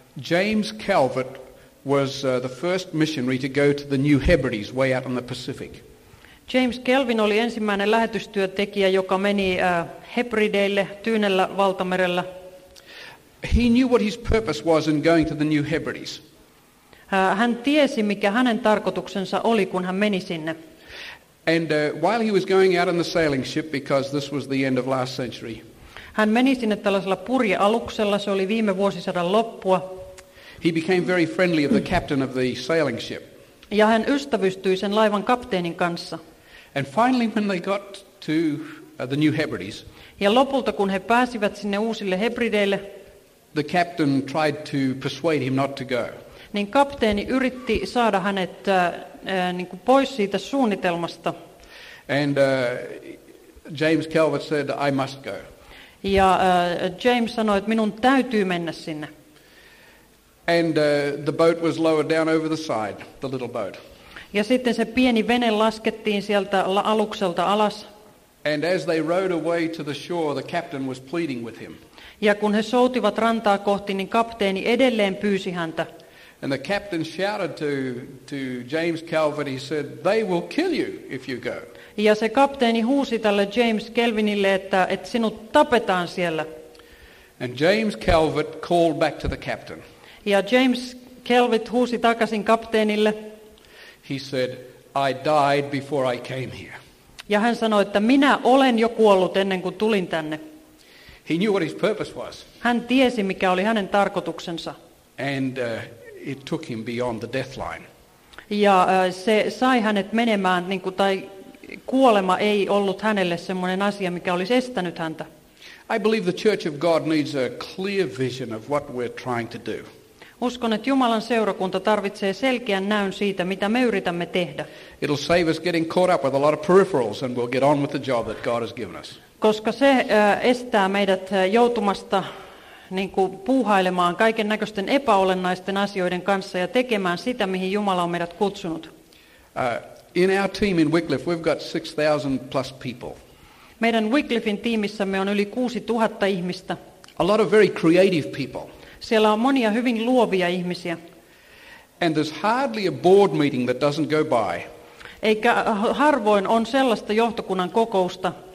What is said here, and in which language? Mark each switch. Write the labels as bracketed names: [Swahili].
[English] James Calvert was the first missionary to go to the New Hebrides, way out in the Pacific. [Finnish] James Calvin oli ensimmäinen lähetystyöntekijä, joka meni Hebrideille Tyynellä valtamerellä. [English] He knew what his purpose was in going to the New Hebrides. [Finnish] Hän tiesi, mikä hänen tarkoituksensa oli, kun hän meni sinne. [English] And while he was going out on the sailing ship, because this was the end of last century. [Finnish] Hän meni sinne tällaisella purjealuksella, se oli viime vuosisadan loppua. [English] He became very friendly of the captain of the sailing ship. [Finnish] Ja hän ystävystyi sen laivan kapteenin kanssa. [English] And finally when they got to the New Hebrides. [Finnish] Ja lopulta kun he pääsivät sinne uusille Hebrideille. [English] The captain tried to persuade him not to go. [Finnish] Niin kapteeni yritti saada hänet niin kuin pois siitä suunnitelmasta. [English] And James Calvert said, I must go. [Finnish] Ja James sanoi, että minun täytyy mennä sinne. [English] And the boat was lowered down over the side, the little boat. [Finnish] Ja sitten se pieni vene laskettiin sieltä alukselta alas. [English] And as they rowed away to the shore, the captain was pleading with him. [Finnish] Ja kun he soutivat rantaa kohti, niin kapteeni edelleen pyysi häntä. [English] And the captain shouted to James Calvin, he said, they will kill you if you go. [Finnish] Ja se kapteeni huusi tälle James Calvinille, että sinut tapetaan siellä. [English] And James Calvin called back to the captain. [Finnish] Ja James Calvin huusi takaisin kapteenille. [English] He said, I died before I came here. [Finnish] Ja hän sanoi, että minä olen jo kuollut ennen kuin tulin tänne. [English] He knew what his purpose was. [Finnish] Hän tiesi, mikä oli hänen tarkoituksensa. [English] And it took him beyond the death line. [Finnish] Ja se sai hänet menemään, niin kuin, tai kuolema ei ollut hänelle semmoinen asia, mikä olisi estänyt häntä. [English] I believe the Church of God needs a clear vision of what we're trying to do. [Finnish] Uskon, että Jumalan seurakunta tarvitsee selkeän näyn siitä, mitä me yritämme tehdä. [English] It'll save us getting caught up with a lot of peripherals and we'll get on with the job that God has given us. [Finnish] Koska se estää meidät joutumasta niin kuin puuhailemaan kaiken näköisten epäolennaisten asioiden kanssa ja tekemään sitä, mihin Jumala on meidät kutsunut. [English] In our team in Wycliffe we've got 6,000 plus people. [Finnish] Meidän Wycliffen tiimissämme on yli 6,000 ihmistä. [English] A lot of very creative people. [Finnish] Siellä on monia hyvin luovia ihmisiä. [English] And there's hardly a board meeting that doesn't go by. [Finnish] Eikä harvoin on sellaista johtokunnan kokousta.